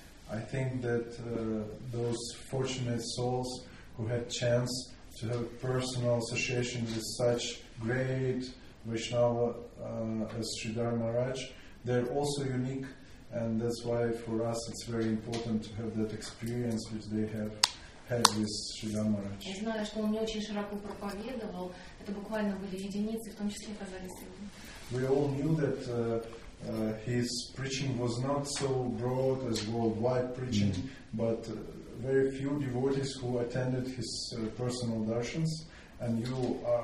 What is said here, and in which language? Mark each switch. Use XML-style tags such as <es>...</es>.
<en>I think that those fortunate souls who had chance to have personal association with such great Vaishnava as Sridhara Maharaj, they're also unique, and that's why for us it's very important to have that experience which they have had with Sridhara Maharaj.</en> <ru>Я знаю, что он не очень широко проповедовал. Это буквально были единицы, в том числе казалось.</ru> <en>We all knew that his preaching was not so broad as worldwide preaching, but very few devotees who attended his personal darshans, and you</en>